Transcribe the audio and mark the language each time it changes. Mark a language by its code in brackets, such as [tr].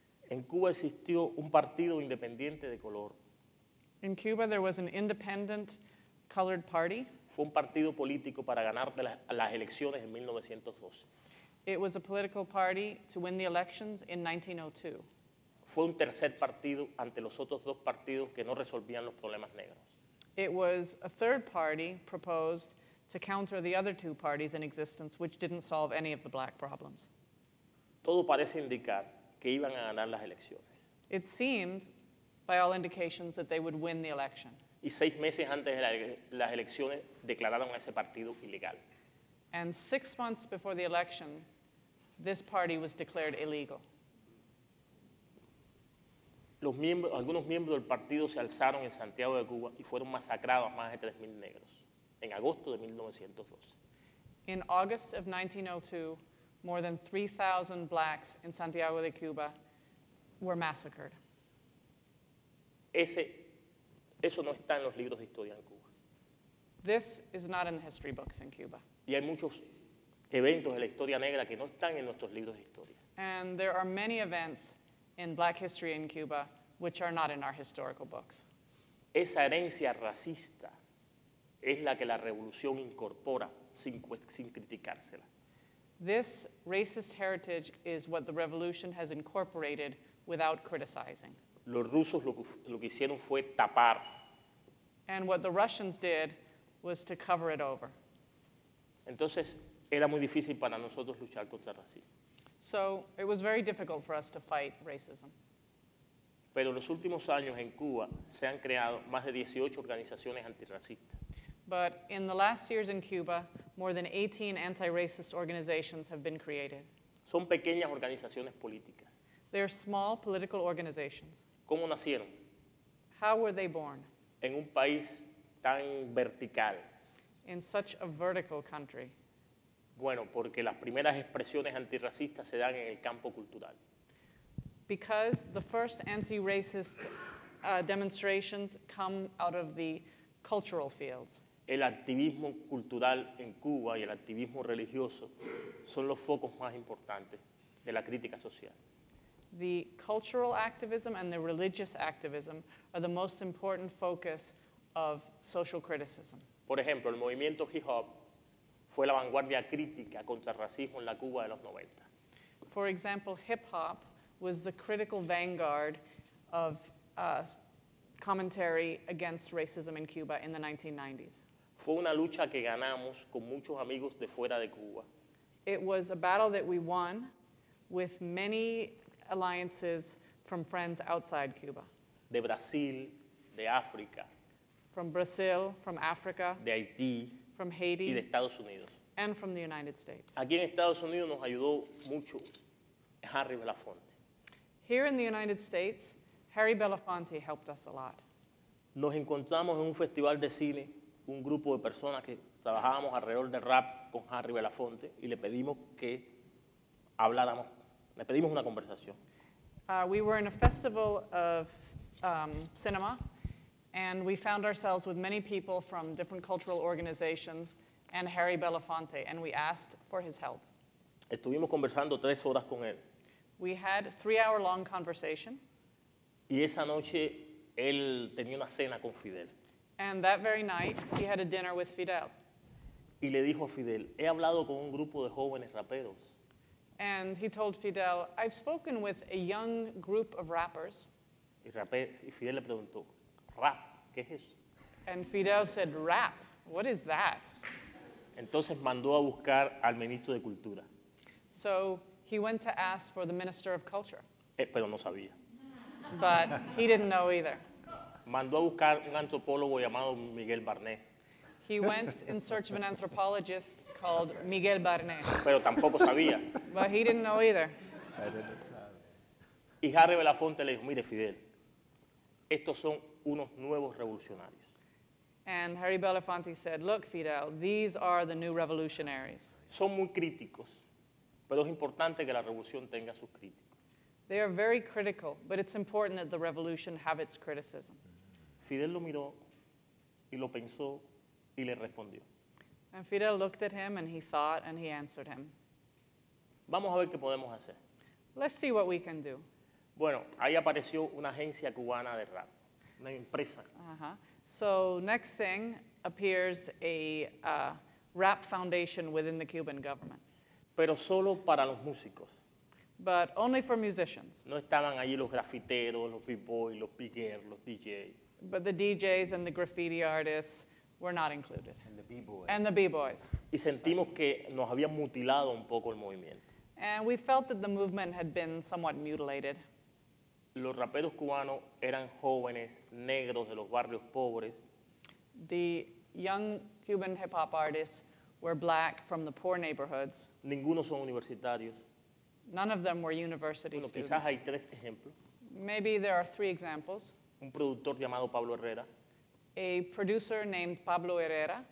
[es] En Cuba existió un partido independiente de color. [en] In Cuba, there was an independent colored party. [es] Fue un partido político para ganar las elecciones en 1912. [en] It was a political party to win the elections in 1902. [es] Fue un tercer partido ante los otros dos partidos que no resolvían los problemas negros. [en] It was a third party proposed to counter the other two parties in existence, which didn't solve any of the black problems. [es] Todo parece indicar que iban a ganar las elecciones. [en] It seemed, by all indications, that they would win the election. [es] Y seis meses antes de las elecciones declararon a ese partido ilegal. [en] And 6 months before the election, this party was declared illegal. [es] Algunos miembros del partido se alzaron en Santiago de Cuba y fueron masacrados más de 3,000 negros en agosto de 1912. [en] In August of 1902, more than 3,000 blacks in Santiago de Cuba were massacred. [es] Eso no está en los libros de historia en Cuba. [en] This is not in the history books in Cuba. [es] Y hay muchos eventos de la historia negra que no están en nuestros libros de historia. [en] And there are many events in black history in Cuba, which are not in our historical books. [es] Esa herencia racista es la que la revolución incorpora sin criticársela. [en] This racist heritage is what the revolution has incorporated without criticizing. [es] Los rusos lo que hicieron fue tapar. [en] And what the Russians did was to cover it over. [es] Entonces, era muy difícil para nosotros luchar contra el racismo. [en] So it was very difficult for us to fight racism. [es] Pero en los últimos años en Cuba se han creado más de 18 organizaciones antirracistas. [en] But in the last years in Cuba, more than 18 anti-racist organizations have been created. [es] Son pequeñas organizaciones políticas. [en] They're small political organizations. [es] ¿Cómo nacieron? [en] How were they born? [es] En un país tan vertical. [en] In such a vertical country. [es] Bueno, porque las primeras expresiones antirracistas se dan en el campo cultural. [en] Because the first anti-racist demonstrations come out of the cultural fields. [es] El activismo cultural en Cuba y el activismo religioso son los focos más importantes de la crítica social. [en] The cultural activism and the religious activism are the most important focus of social criticism. [es] Por ejemplo, el movimiento hip-hop fue la vanguardia crítica contra el racismo en la Cuba de los 90. [en] For example, hip hop was the critical vanguard of commentary against racism in Cuba in the 1990s. [es] Fue una lucha que ganamos con muchos amigos de fuera de Cuba. [en] It was a battle that we won with many alliances from friends outside Cuba. [es] De Brasil, de África. [en] From Brazil, from Africa. [es] De Haití. [en] From Haiti, [es] y de Estados Unidos. [en] And from the United States. [es] Aquí en Estados Unidos nos ayudó mucho Harry Belafonte. [en] Here in the United States, Harry Belafonte helped us a lot. [es] Nos encontramos en un festival de cine, un grupo de personas que trabajábamos alrededor del rap con Harry Belafonte, y le pedimos que habláramos, le pedimos una conversación. [en] We were in a festival of cinema, and we found ourselves with many people from different cultural organizations and Harry Belafonte, and we asked for his help. [es] Estuvimos conversando 3 horas con él. [en] We had a 3-hour long conversation. [es] Y esa noche, él tenía una cena con Fidel. [en] And that very night, he had a dinner with Fidel. [es] Y le dijo a Fidel, he hablado con un grupo de jóvenes raperos. [en] And he told Fidel, I've spoken with a young group of rappers. [es] Y Fidel le preguntó, rap, ¿qué es eso? [en] And Fidel said, rap, what is that? [es] Entonces mandó a buscar al ministro de Cultura. [en] So he went to ask for the Minister of Culture. [es] Pero no sabía. [en] But he didn't know either. [es] Mandó a buscar un antropólogo llamado Miguel Barnet. [en] He went in search of an anthropologist called Miguel Barnet. [es] Pero tampoco sabía. [en] But he didn't know either. [es] Y Harry Belafonte le dijo, mire Fidel, estos son unos nuevos revolucionarios. [en] And Harry Belafonte said, look, Fidel, these are the new revolutionaries. [es] Son muy críticos, pero es importante que la revolución tenga sus críticos. [en] They are very critical, but it's important that the revolution have its criticism. [es] Fidel lo miró, y lo pensó, y le respondió. [en] And Fidel looked at him, and he thought, and he answered him. [es] Vamos a ver qué podemos hacer. [en] Let's see what we can do. [es] Bueno, ahí apareció una agencia cubana de rap, una empresa. [en] So next thing appears a rap foundation within the Cuban government. [es] Pero solo para los músicos. [en] But only for musicians. [es] No estaban allí los grafiteros, los b-boys, los b-girls, los DJs. [en] But the DJs and the graffiti artists were not included. And the b-boys. And the b-boys. [es] Y sentimos que nos habían mutilado un poco el movimiento. [en] And we felt that the movement had been somewhat mutilated. [es] Los raperos cubanos eran jóvenes negros de los barrios pobres. [en] The young Cuban hip-hop artists were black from the poor neighborhoods. [es] Ninguno son universitarios. [en] None of them were university [es] bueno, [en] students. [es] Quizás hay tres ejemplos. [en] Maybe there are three examples. [es] Un productor llamado Pablo Herrera. [en] A producer named Pablo Herrera.